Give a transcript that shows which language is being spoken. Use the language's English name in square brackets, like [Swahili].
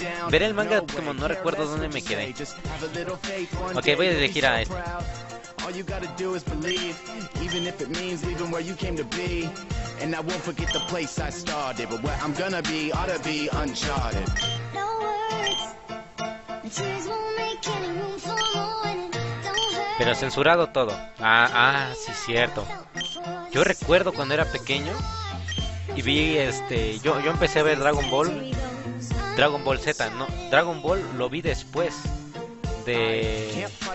[Spanish] Veré el manga como no recuerdo dónde me quedé. Ok, voy a elegir a este. [English] All you gotta do is believe, even if it means leaving where you came to be. And I won't forget the place I started, but where I'm gonna be ought to be uncharted. No words, tears won't make any room for mourning. [Spanish] Pero censurado todo. Sí, cierto. Yo recuerdo cuando era pequeño y vi yo empecé a ver Dragon Ball Z, no, Dragon Ball lo vi después. De...